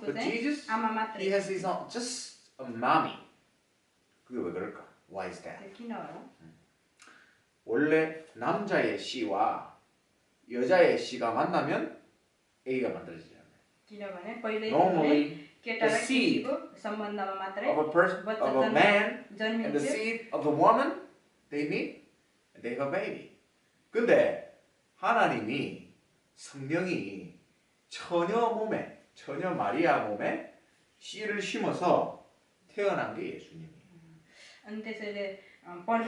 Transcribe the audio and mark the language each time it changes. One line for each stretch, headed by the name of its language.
English: 그 Jesus, he has his own, just a mommy.
Korean: 그게 왜 그럴까?
English: Why is that?
Korean: 원래 남자의 씨와 여자의 씨가 만나면 A가 만들어지잖아요. 기나가네.
English: Normally. The seed of a person, of a man, and the seed of a woman, they meet, and they have a baby.
Korean: 근데 하나님이 성령이 처녀 몸에, 처녀 마리아 몸에 씨를 심어서 태어난 게 예수님이에요.